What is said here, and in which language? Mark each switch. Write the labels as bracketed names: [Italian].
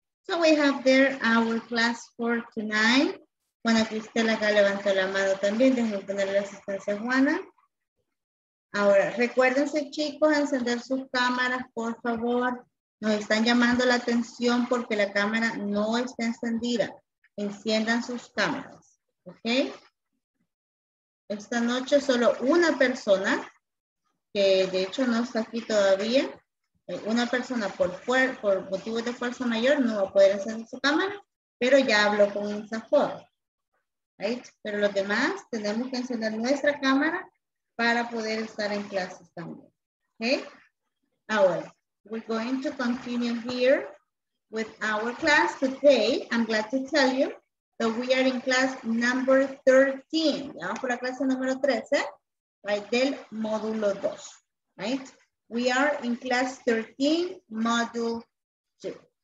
[English] So we have there our class for tonight. [Spanish] Juana Cristela acá levantó la mano también. Déjenme poner la asistencia Juana. Ahora, recuérdense, chicos, encender sus cámaras, por favor. Nos están llamando la atención porque la cámara no está encendida. Enciendan sus cámaras, ¿ok? Esta noche solo una persona, que de hecho no está aquí todavía, una persona por motivos de fuerza mayor no va a poder encender su cámara, pero ya habló con un INSAFOR, ¿right? Pero los demás tenemos que encender nuestra cámara para poder estar en clases también, ¿ok? [English] Ahora, we're going to continue here with our class today. I'm glad to tell you that we are in class number 13. [Spanish] Ya vamos por la clase número 13, right, del módulo 2, right? [English] We are in class 13, module 2.